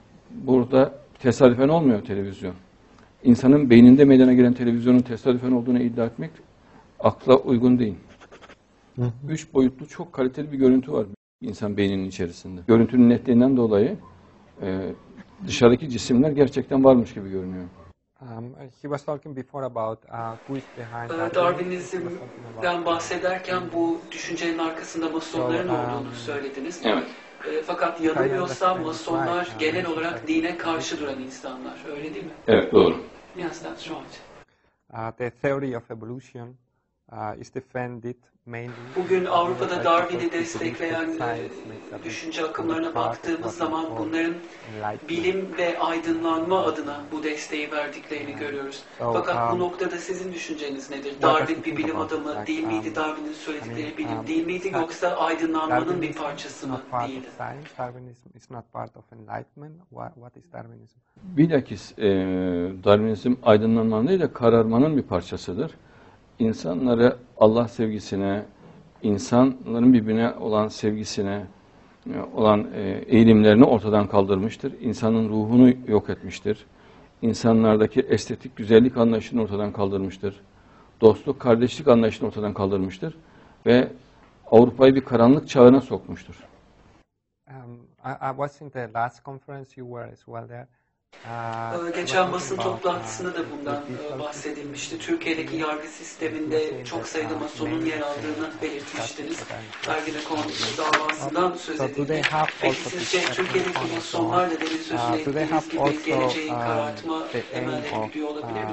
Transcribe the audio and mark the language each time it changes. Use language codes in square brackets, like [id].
[tr] Burada tesadüfen olmuyor televizyon. İnsanın beyninde meydana gelen televizyonun tesadüfen olduğunu iddia etmek akla uygun değil. Üç boyutlu çok kaliteli bir görüntü var insan beyninin içerisinde. Görüntünün netliğinden dolayı dışarıdaki cisimler gerçekten varmış gibi görünüyor. [en] He was talking before about who is behind that. [tr] Darwinizm'den bahsederken bu düşüncenin arkasında Masonların olduğunu söylediniz. Evet. Fakat yanılmıyorsam Masonlar genel olarak dine karşı duran insanlar. Öyle değil mi? Evet, doğru. [en] Yes, that's right. The theory of evolution is defended mainly. [tr] Bugün Avrupa'da Darwin'i destekleyen düşünce akımlarına baktığımız zaman bunların bilim ve aydınlanma adına bu desteği verdiklerini görüyoruz. Fakat bu noktada sizin düşünceniz nedir? Darwin bir bilim adamı değil miydi? Darwin'in söyledikleri bilim değil miydi? Yoksa aydınlanmanın bir parçası mı değildi? [en] Darwinism is not part of enlightenment. What is Darwinism? [tr] Bilakis Darwinizm aydınlanmanın değil de kararmanın bir parçasıdır. İnsanları Allah sevgisine, insanların birbirine olan sevgisine, olan eğilimlerini ortadan kaldırmıştır. İnsanın ruhunu yok etmiştir. İnsanlardaki estetik güzellik anlayışını ortadan kaldırmıştır. Dostluk, kardeşlik anlayışını ortadan kaldırmıştır. Ve Avrupa'yı bir karanlık çağına sokmuştur. [en] I was in the last conference you were as well there. [tr] Geçen basın toplantısında da bundan bahsedilmişti. Türkiye'deki yargı sisteminde çok sayıda masonun yer aldığını belirtmiştiniz. Dergide konuştuğunuz davasından söz edildi. Peki sizce Türkiye'deki masonlar da demin sözüne ettiğiniz gibi geleceğin karartma emelleri gidiyor olabilir mi?